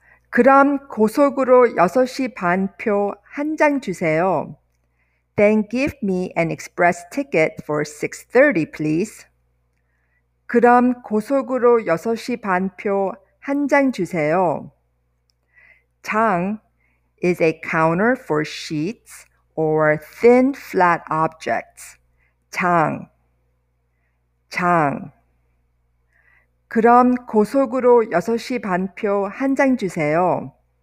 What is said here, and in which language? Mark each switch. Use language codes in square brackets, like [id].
[ko] 그럼 고속으로 6시 반 표 한 장 주세요. [en] Then give me an express ticket for 6:30, please. [ko] 그럼 고속으로 6시 반 표 한 장 주세요. [en] 장 is a counter for sheets or thin flat objects. [ko] 장 장 그럼 고속으로 6시 반 표 한 장 주세요.